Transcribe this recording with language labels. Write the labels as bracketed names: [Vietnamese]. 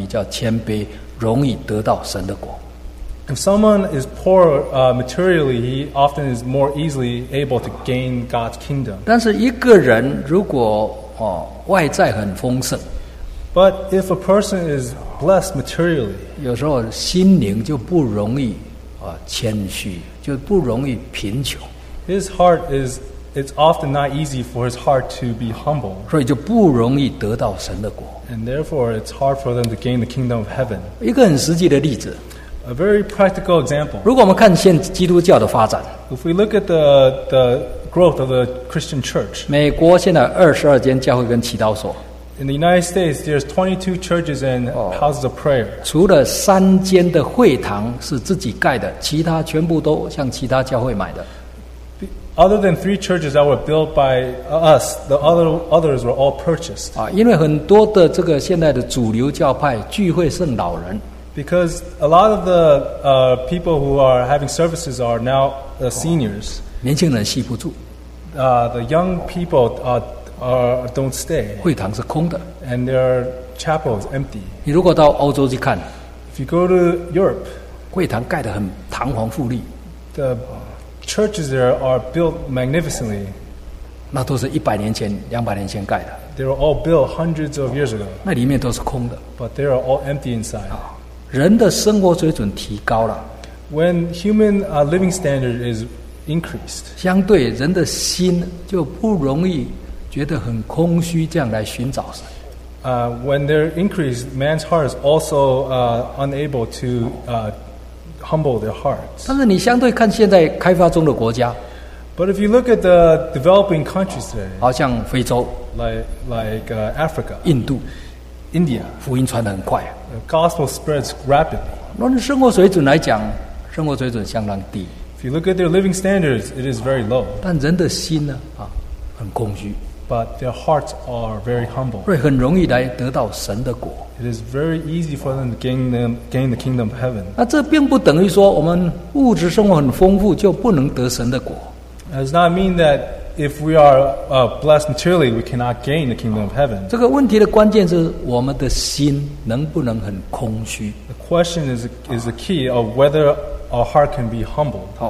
[Chinese] 因为一个人如果肉体比较贫穷，常常比较谦卑，容易得到神的果。 [English] If someone is poor materially, he often is more easily able to gain God's kingdom. [Chinese] 但是一个人如果外在很丰盛, [English] but if a person is blessed materially, [Chinese] 有时候心灵就不容易谦虚，就不容易贫穷。 [English] His heart is, it's often not easy for his heart to be humble. [Chinese] 所以就不容易得到神的果。 [English] And therefore, it's hard for them to gain the kingdom of heaven. [Chinese] 一个很实际的例子, [English] A very practical example. [Chinese] 如果我们看现基督教的发展, [English] If we look at the growth of the Christian church, [Chinese] 美国现在22间教会跟祈祷所, [English] In the United States, there's 22 churches and houses of prayer. [Chinese] 除了3间的会堂是自己盖的, 其他全部都向其他教会买的。 [English] Other than 3 churches that were built by us, the others were all purchased. [Chinese] 因为很多的这个现在的主流教派聚会圣老人, [English] Because a lot of the people who are having services are now seniors. [Chinese] 年轻人吸不住, [English] the young people don't stay. [Chinese] 会堂是空的, [English] and their chapel is empty. [Chinese] 你如果到欧洲去看, [English] if you go to Europe, [Chinese] 会堂盖得很堂皇富丽, [English] the churches there are built magnificently. [Chinese] 那都是100年前、200年前盖的, [English] they were all built hundreds of years ago. [Chinese] 那里面都是空的, [English] but they are all empty inside. [Chinese] 人的生活水准提高了, [English] when human living standard is increased, [Chinese] 相对人的心就不容易觉得很空虚这样来寻找神。 [English] When they're increased, man's heart is also unable to humble their hearts. [Chinese] 但是你相对看现在开发中的国家, [English] but if you look at the developing countries today, [Chinese] 好像非洲, [English] like Africa, [Chinese] 印度, [English] India, [Chinese] 福音传得很快, [English] the gospel spreads rapidly. [Chinese] 论生活水准来讲, 生活水准相当低, [English] if you look at their living standards, it is very low. [Chinese] 但人的心呢, 啊, 很空虚, [English] but their hearts are very humble. [Chinese] 所以很容易来得到神的果。 [English] It is very easy for them to gain the kingdom of heaven. [Chinese] 那这并不等于说我们物质生活很丰富就不能得神的果。 [English] That does not mean that if we are blessed materially, we cannot gain the kingdom of heaven. [Chinese] 这个问题的关键是我们的心能不能很空虚。 [English] The question is the key of whether our heart can be humbled.